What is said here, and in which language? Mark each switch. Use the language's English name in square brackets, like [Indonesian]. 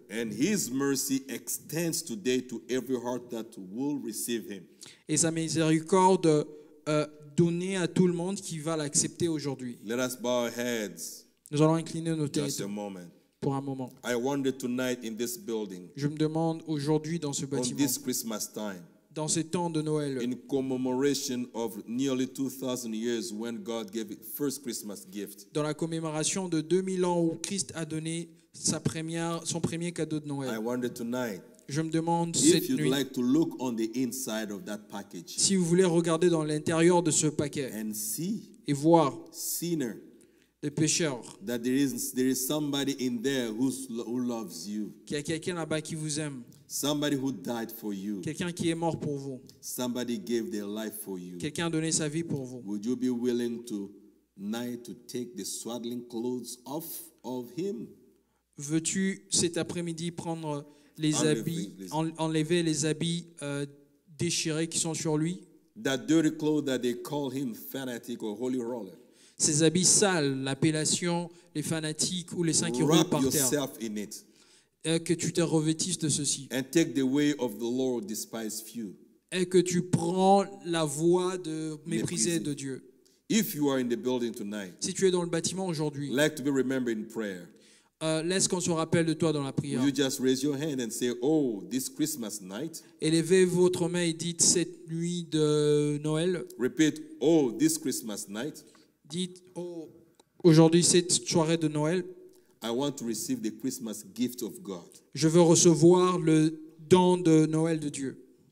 [English] And His mercy extends today to every heart that will receive Him. [French] Et sa miséricorde donner à tout le monde qui va l'accepter aujourd'hui. [English] Let us bow our heads. [French] Nous allons incliner nos têtes. [English] Just a moment. [French] Pour un moment. [English] I wonder tonight in this building. [French] Je me demande aujourd'hui dans ce bâtiment. [English] On this Christmas time. [French] Dans ces temps de Noël. [English] In commemoration of nearly 2000 years when God gave his first Christmas gift. [French] Dans la commémoration de 2000 ans où Christ a donné son premier cadeau de Noël. [English] I wonder tonight. [French] Je me demande [English] if [French] cette [English] you'd [French] nuit [English] like to look on the inside of that package, [French] si vous voulez regarder dans l'intérieur de ce paquet [English] and see [French] et voir [English] sinner, [French] des pécheurs [English] that there is somebody in there who loves you, [French] qu'il y a quelqu'un là-bas qui vous aime, [English] somebody who died for you, [French] quelqu'un qui est mort pour vous, [English] somebody gave their life for you, [French] quelqu'un a donné sa vie pour vous. [English] Would you be willing tonight to take the swaddling clothes off of him? [French] Veux-tu cet après-midi prendre les habits, enlever les habits déchirés qui sont sur lui. [English] That dirty clothes that they call him fanatic or holy roller. [French] Ces habits sales, l'appellation les fanatiques ou les saints qui roulent par terre. [English] Wrap yourself in it. [French] Et que tu te revêtisses de ceci. [English] And take the way of the Lord, despise few. [French] Et que tu prends la voie de mépriser de Dieu. [English] If you are in the building tonight, [French] si tu es dans le bâtiment aujourd'hui, [English] like to be remembered in prayer. [French] Laisse qu'on se rappelle de toi dans la prière. [English] You just raise your hand and say, "Oh, this Christmas night." [French] Élevez votre main et dites cette nuit de Noël. [English] Repeat, "Oh, this Christmas night." [French] Dites, "Oh, aujourd'hui cette soirée de Noël." [English] I want to receive the Christmas gift of God. [French] Je veux recevoir le don de Noël de Dieu.